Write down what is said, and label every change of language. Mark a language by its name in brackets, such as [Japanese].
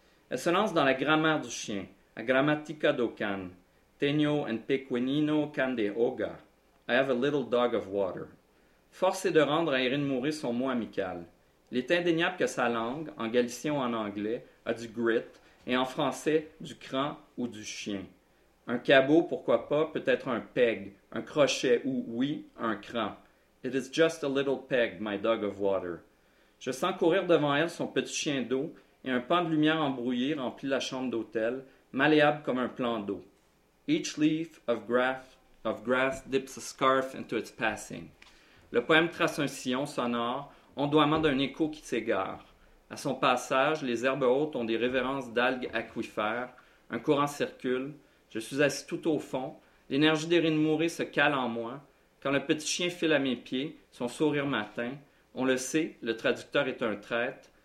[French] Elle se lance dans la grammaire du chien, [Galician] la grammatica do can, tenio un pequeñino can de agua, [English] I have a little dog of water. [French] Force est de rendre à Erin Mouré son mot amical. Il est indéniable que sa langue, en galicien ou en anglais, a du grit, et en français, du cran ou du chien. Un cabot, pourquoi pas, peut-être un peg, un crochet ou, oui, un cran. [English] It is just a little peg, my dog of water. [French] Je sens courir devant elle son petit chien d'eau et un pan de lumière embrouillé remplit la chambre d'hôtel, malléable comme un plan d'eau. [English] Each leaf of grass dips a scarf into its passing. [French] Le poème trace un sillon sonore, ondoiement d'un écho qui s'égare. À son passage, les herbes hautes ont des révérences d'algues aquifères, un courant circule, je suis assis tout au fond, l'énergie d'Erin Mouré se cale en moi. Quand le petit chien file à mes pieds, son sourire m'atteint, on le sait, le traducteur est un traître.